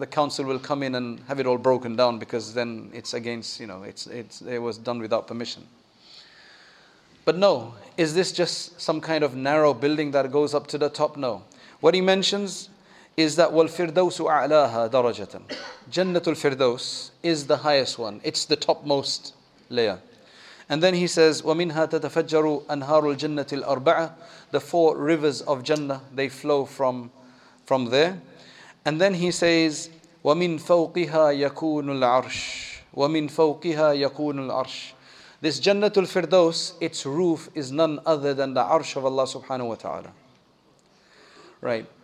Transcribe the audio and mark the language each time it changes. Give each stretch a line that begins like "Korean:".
English: the council will come in and have it all broken down, because then it's against, you know, it was done without permission. But no, is this just some kind of narrow building that goes up to the top? No. What he mentions is that وَالْفِرْدَوْسُ أَعْلَاهَا دَرَجَةً. Jannatul Firdaus is the highest one. It's the topmost layer.
Arabic: And then he says, وَمِنْهَا تَتَفَجَّرُ أَنْهَارُ الْجَنَّةِ الْأَرْبَعَةِ.
English: The four rivers of Jannah, they flow from there. And then he says, وَمِنْ فَوْقِهَا يَكُونُ الْعَرْشِ.
Arabic: وَمِنْ فَوْقِهَا يَكُونُ الْعَرْشِ.
English: This Jannatul Firdaus, its roof is none other than the Arsh of Allah subhanahu wa ta'ala. Right.